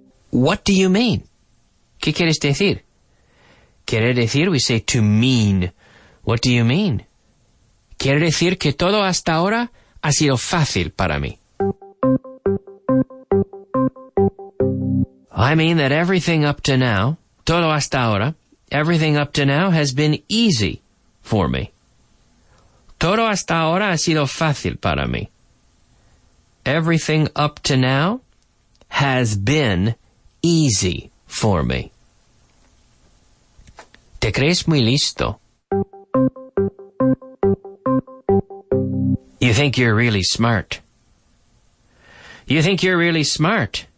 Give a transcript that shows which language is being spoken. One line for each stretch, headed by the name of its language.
English: What do you mean?
Spanish: ¿Qué quieres decir? Quiere decir,
English: we say to mean. What do you mean?
Spanish: Quiere decir que todo hasta ahora ha sido fácil para mí.
English: I mean that everything up to now,
Spanish: todo hasta ahora,
English: everything up to now has been easy for me.
Spanish: Todo hasta ahora ha sido fácil para mí.
English: Everything up to now has been easy for me.
Spanish: ¿Te crees muy listo?
English: You think you're really smart. You think you're really smart.